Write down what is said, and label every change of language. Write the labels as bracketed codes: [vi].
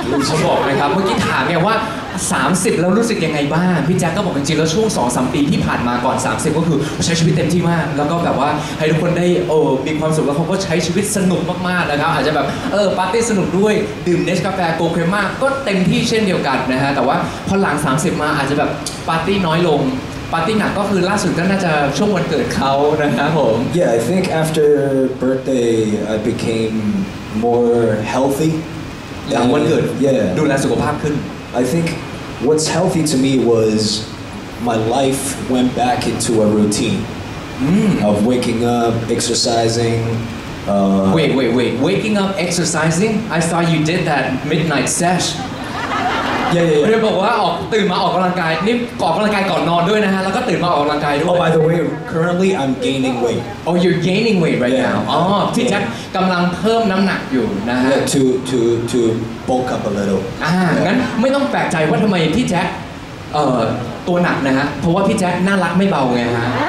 [th] เขาบอกนะครับเมื่อกี้ถามไงว่า30แล้วรู้สึกยังไงบ้างพี่แจ็คก็บอกจริงๆแล้วช่วง 2-3 ปีที่ผ่านมาก่อน30ก็คือใช้ชีวิตเต็มที่มากแล้วก็แบบว่าให้ทุกคนได้มีความสุขแล้วเขาก็ใช้ชีวิตสนุกมากๆนะครับอาจจะแบบปาร์ตี้สนุกด้วยดื่มเนสกาแฟโกเครม่าก็เต็มที่เช่นเดียวกันนะฮะแต่ว่าพอหลัง30มาอาจจะแบบปาร์ตี้น้อยลงปาร์ตี้หนักก็คือล่าสุดก็น่าจะช่วงวันเกิดเขานะครับผม [en] Yeah, I think after birthday I becameMore healthy. Yeah, one good. Yeah. [th] ดูแลสุขภาพขึ้น [en] I think what's healthy to me was my life went back into a routine of waking up, exercising. Wait. Waking up, exercising? I thought you did that midnight sesh. Yeah. [th] เรียกบอกว่าออกตื่นมาออกกำลังกายนี่ออกกำลังกายก่อนนอนด้วยนะฮะแล้วก็ตื่นมาออกกำลังกายด้วย [en] Oh, by the way, currently I'm gaining weight. Oh, you're gaining weight right now. [th] Oh, ที่แจ็คกำลังเพิ่มน้ำหนักอยู่นะฮะ [en] Yeah, to bulk up a little. [th] งั้นไม่ต้องแปลกใจว่าทำไมพี่แจ็คตัวหนักนะฮะเพราะว่าพี่แจ็คน่ารักไม่เบาไงฮะ